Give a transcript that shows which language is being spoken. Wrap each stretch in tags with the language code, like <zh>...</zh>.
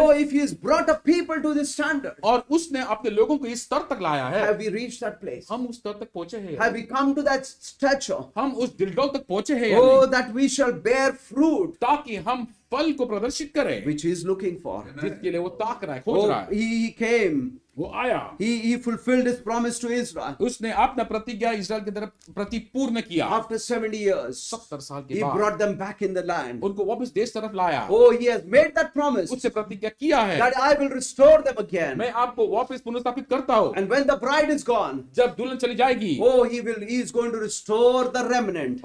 <en>Oh, if he has brought a people to this standard.</en> <hi>और उसने अपने लोगों को इस स्तर तक लाया है.</hi> <en>Have we reached that place?</en> <hi>हम उस स्तर तक पहुंचे हैं.</hi> <en>Have we come to that stature?</en> <hi>हम उस दिलडोल तक पहुंचे हैं.</hi> <en>Oh, that we shall bear fruit.</en> <hi>ताकि हम फल को प्रदर्शित करें.</hi> <en>Which he is looking for.</en> <hi>जिसके लिए वो ताक रहा है, खोज रहा है.</hi> <en>He came.</en> <hi>वो आया.</hi> <en>He fulfilled his promise to Israel.</en> <hi>उसने अपना प्रतिज्ञा इज़राइल की तरफ प्रतिपूर्ण किया.</hi> <en>After 70 years.</en> <hi>70 साल के बाद.</hi> <en>He brought them back in the land.</en> <hi>उनको वापस देश तरफ लाया.</hi> <en>Oh, he has made that promise.</en> <hi>उससे प्रतिज्ञा किया है.</hi> <en>That I will restore them again.</en> <hi>मैं आपको वापस पुनर्स्थापित करता हूँ.</hi> <en>And when the bride is gone.</en> <hi>जब दुल्हन चली जाएगी.</hi> <en>Oh, he is going to restore the remnant.</en>